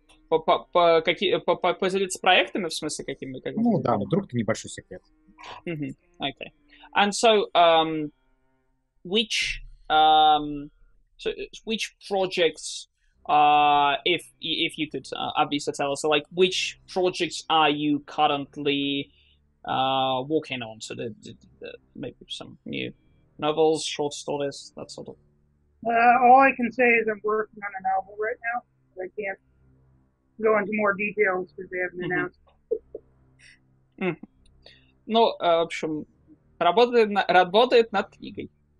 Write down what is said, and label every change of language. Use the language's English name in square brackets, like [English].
[Russian] Поделиться проектами, в смысле, какими? Как... Ну да, вдруг это небольшой секрет. [English] Okay. And so, which projects, if you could obviously tell us, like, which projects are you currently working on? So the maybe some new novels, short stories, that sort of. All I can say is I'm working on a novel right now, but I can't go into more details because they haven't announced. [Russian] Ну, в общем, работает над книгой.